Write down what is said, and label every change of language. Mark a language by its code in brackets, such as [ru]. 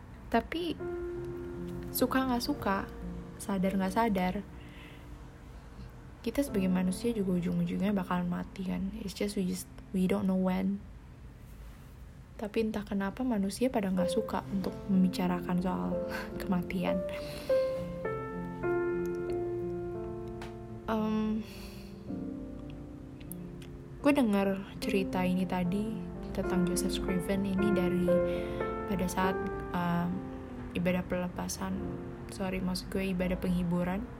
[id] Tapi suka gak suka, sadar gak sadar, kita sebagai manusia juga ujung-ujungnya bakalan mati kan. [en] It's just we don't know when. [id] Tapi entah kenapa manusia pada gak suka untuk membicarakan soal kematian. Gue dengar cerita ini tadi tentang Joseph Scriven ini dari pada saat ibadah pelepasan, ibadah penghiburan.